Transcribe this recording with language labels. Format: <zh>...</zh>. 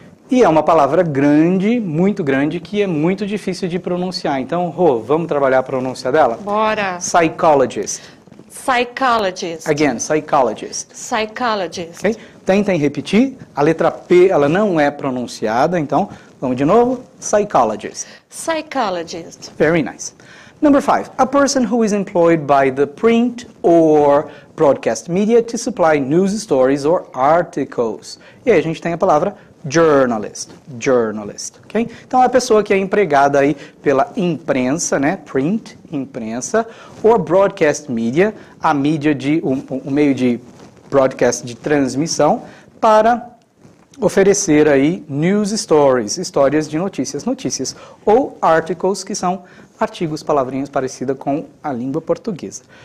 <pt>E é uma palavra grande, muito grande, que é muito difícil de pronunciar. Então, Rô, vamos trabalhar a pronúncia dela? Bora!</pt> <en>Psychologist. Psychologist. Again, psychologist. Psychologist.</en> <pt>Okay? Tentem repetir. A letra P, ela não é pronunciada, então, vamos de novo.</pt> <en>Psychologist. Psychologist. Very nice. Number five, a person who is employed by the print or broadcast media to supply news stories or articles.</en> <pt>E aí a gente tem a palavra journalist, journalist, ok? Então, é a pessoa que é empregada aí pela imprensa, né? Print, imprensa, ou broadcast media, a mídia de, um meio de broadcast de transmissão, para oferecer aí news stories, histórias de notícias, notícias, ou articles, que são artigos, palavrinhas parecidas com a língua portuguesa.</pt>